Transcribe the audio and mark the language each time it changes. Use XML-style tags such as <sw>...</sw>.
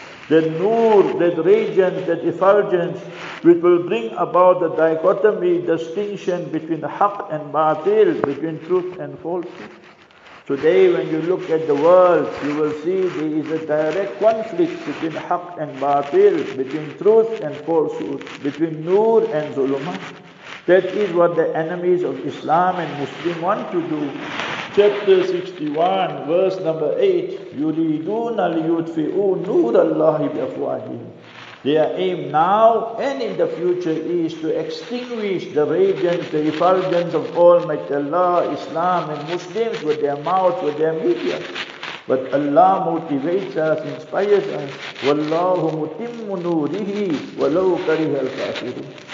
<en>that nur, that radiance, that effulgence, which will bring about the dichotomy, distinction between haq and batil, between truth and falsehood. Today when you look at the world, you will see there is a direct conflict between haq and batil, between truth and falsehood, between nur and zulumat. That is what the enemies of Islam and Muslim want to do. Chapter 61, verse number 8,</en> <ar>يُرِيدُونَ لِيُطْفِئُوا نُورَ اللَّهِ بِأَفْوَاهِهِمْ.</ar> <en>Their aim now and in the future is to extinguish the radiance, the effulgence of Almighty Allah, Islam and Muslims with their mouths, with their media. But Allah motivates us, inspires us.</en> <ar>وَاللَّهُ مُتِمُّ نُورِهِ وَلَوْ كَرِهَ الْكَافِرُونَ.</ar>